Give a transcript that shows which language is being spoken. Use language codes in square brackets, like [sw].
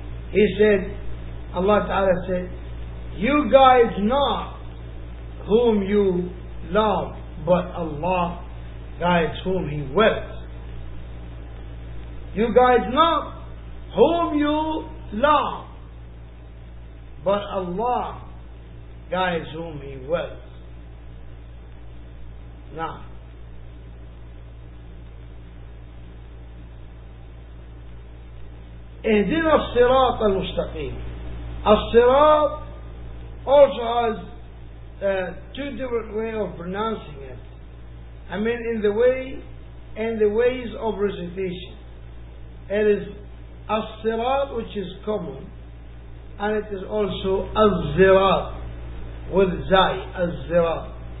[en] He said, Allah Ta'ala said, you guide not whom you love, but Allah guides whom He wills. You guide not whom you love, but Allah guides whom He wills. [ar] Now, اهدنا الصراط المستقيم. [en] الصراط also has two different ways of pronouncing it. I mean, in the way and the ways of recitation. It is الصراط, which is common, and it is also الزراط with زاي الزراط.